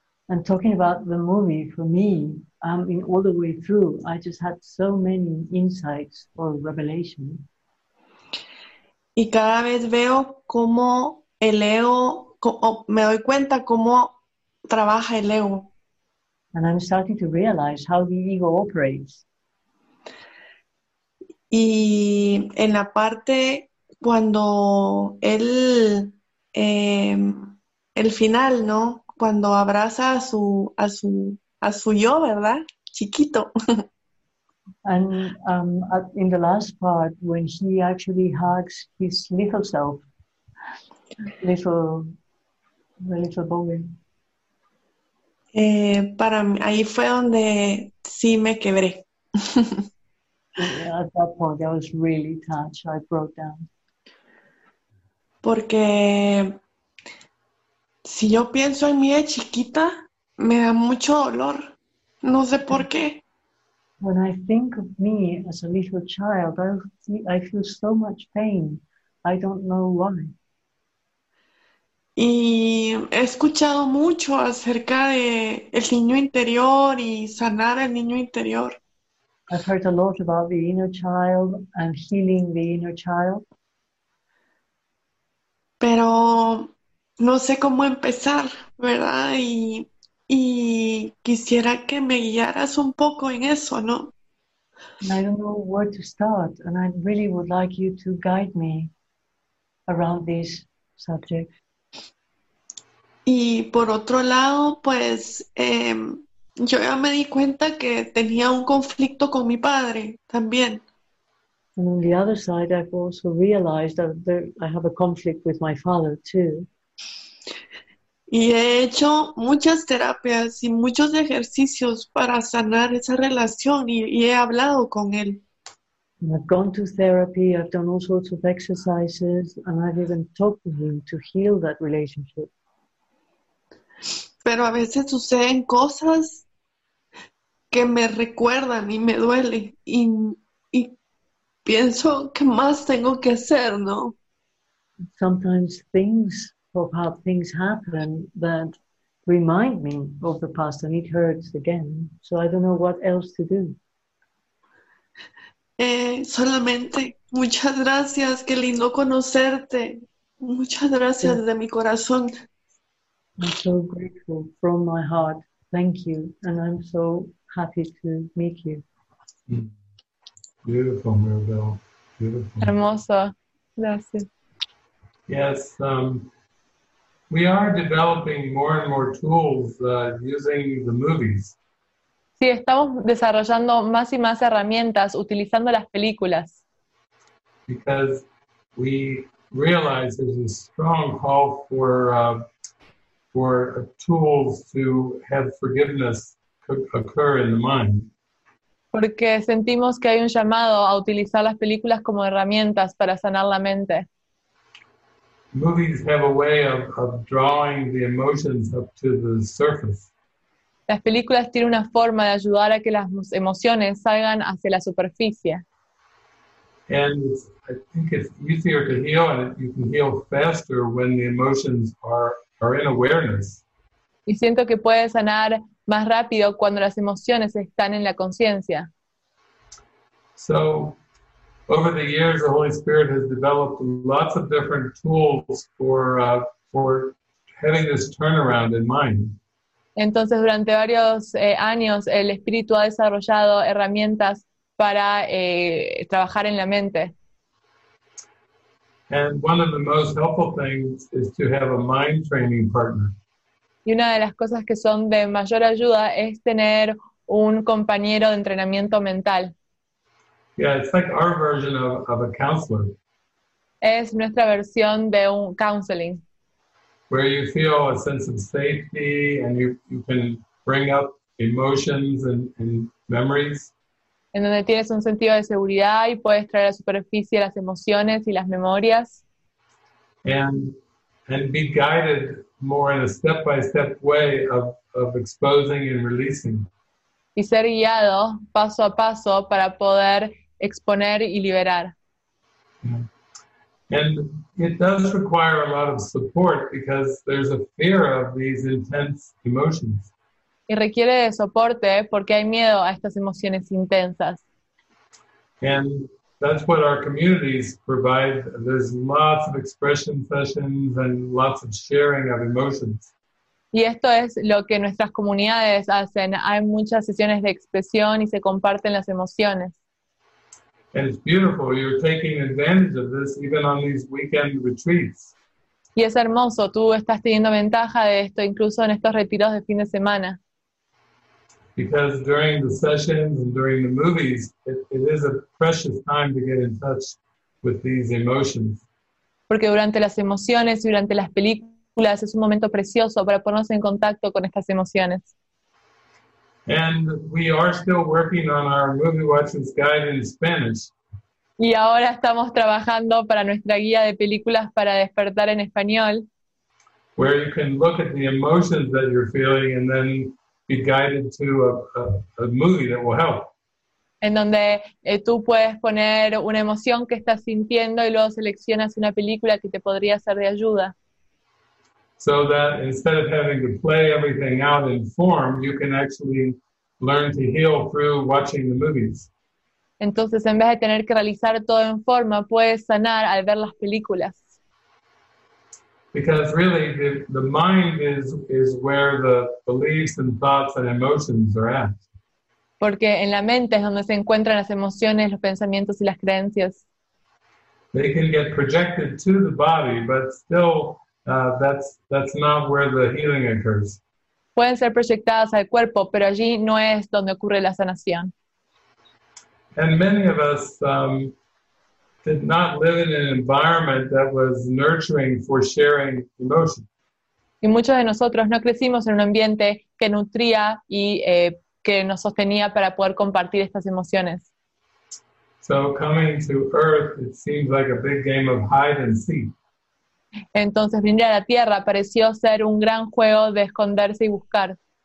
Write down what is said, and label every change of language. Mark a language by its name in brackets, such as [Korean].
[English] And talking about the movie, for me, in all the way through, I just had so many insights or revelations. [Spanish] Y cada vez veo cómo el ego, me doy cuenta cómo trabaja el ego. [English] And I'm starting to realize how the ego operates. [Spanish] Y en la parte cuando él, el final, ¿no? Cuando abraza a su yo, ¿verdad? Chiquito. [English] And in the last part, when he actually hugs his little self, the little boy. [Spanish] Para mí, ahí fue donde sí me quebré. [English] At that point, I was really touched. I broke down. [Spanish] Porque si yo pienso en mí de chiquita, me da mucho dolor. No sé por qué. [English] When I think of me as a little child, I feel so much pain. I don't know why. [Spanish] Y he escuchado mucho acerca de el niño interior y sanar el niño interior. [English] I've heard a lot about the inner child and healing the inner child. [Spanish] Pero no sé cómo empezar, ¿verdad? Y quisiera que me guiaras un poco en eso, ¿no? [English] And I don't know where to start, and I really would like you to guide me around this subject. [Spanish] Y por otro lado, pues, yo ya me di cuenta que tenía un conflicto con mi padre también. [English] And on the other side, I've also realized that I have a conflict with my father too. [Spanish] Y he hecho muchas terapias y muchos ejercicios para sanar esa relación y he hablado con él. [English] And I've gone to therapy, I've done all sorts of exercises, and I've even talked to him to heal that relationship. [Spanish] Pero a veces suceden cosas que me recuerdan y me duele y pienso que más tengo que hacer, ¿no? [English] Sometimes things of how things happen that remind me of the past and it hurts again, so I don't know what else to do. [Spanish] Solamente muchas gracias, qué lindo conocerte, muchas gracias. Yeah. De mi corazón. [English] I'm so grateful from my heart, thank you, and I'm so happy to meet you. Beautiful, Mirabel, beautiful. [Spanish] Hermoso, gracias. [English] Yes, we are developing more and more tools using the movies. [Spanish] Sí, estamos desarrollando más y más herramientas utilizando las películas. [English] Because we realize there's a strong call for tools to have forgiveness occur in the mind. [Spanish] Porque sentimos que hay un llamado a utilizar las películas como herramientas para sanar la mente. [English] Movies have a way of drawing the emotions up to the surface. [Spanish] Las películas tienen una forma de ayudar a que las emociones salgan hacia la superficie. [English] And I think it's easier to heal, and you can heal faster when the emotions are in awareness. [Spanish] Y siento que puede sanar más rápido cuando las emociones están en la conciencia. [English] So, over the years, the Holy Spirit has developed lots of different tools for having this turnaround in mind. [Spanish] Entonces, durante varios años, el Espíritu ha desarrollado herramientas para trabajar en la mente. [English] And one of the most helpful things is to have a mind training partner. [Spanish] Y una de las cosas que son de mayor ayuda es tener un compañero de entrenamiento mental. [English] Yeah, it's like our version of a counselor. [Spanish] Es nuestra versión de un counseling. [English] Where you feel a sense of safety and you can bring up emotions and memories. [Spanish] En donde tienes un sentido de seguridad y puedes traer a la superficie las emociones y las memorias. [English] And be guided more in a step-by-step way of exposing and releasing. [Spanish] Y ser guiado paso a paso para poder exponer y liberar. [English] Yeah. And it does require a lot of support because there's a fear of these intense emotions. [Spanish] Y requiere de soporte porque hay miedo a estas emociones intensas. [English] And that's what our communities provide. There's lots of expression sessions and lots of sharing of emotions. [Spanish] Y esto es lo que nuestras comunidades hacen. Hay muchas sesiones de expresión y se comparten las emociones. [English] And it's beautiful. You're taking advantage of this even on these weekend retreats. [Spanish] Y es hermoso. Tú estás teniendo ventaja de esto incluso en estos retiros de fin de semana. [English] Because during the sessions and during the movies, it is a precious time to get in touch with these emotions. [Spanish] Porque durante las emociones y durante las películas es un momento precioso para ponernos en contacto con estas emociones. [English] And we are still working on our movie watchers guide in Spanish. [Spanish] Y ahora estamos trabajando para nuestra guía de películas para despertar en español. [English] Where you can look at the emotions that you're feeling and then be guided to a movie that will help. [Spanish] En donde tú puedes poner una emoción que estás sintiendo y luego seleccionas una película que te podría ser de ayuda. [English] So that instead of having to play everything out in form, you can actually learn to heal through watching the movies. [Spanish] Entonces, en vez de tener que realizar todo en forma, puedes sanar al ver las películas. [English] Because really, the mind is where the beliefs and thoughts and emotions are at. [Spanish] Porque en la mente es donde se encuentran las emociones, los pensamientos y las creencias. [English] They can get projected to the body, but still, that's not where the healing occurs. [Spanish] Pueden ser proyectadas al cuerpo, pero allí no es donde ocurre la sanación. [English] And many of us did not live in an environment that was nurturing for sharing emotions. [Spanish] Y muchos de nosotros no crecimos en un ambiente que nutría y que nos sostenía para poder compartir estas emociones. [English] So coming to Earth, it seems like a big game of hide and seek. [Spanish] Entonces, venir a la Tierra pareció ser un gran juego de esconderse y buscar.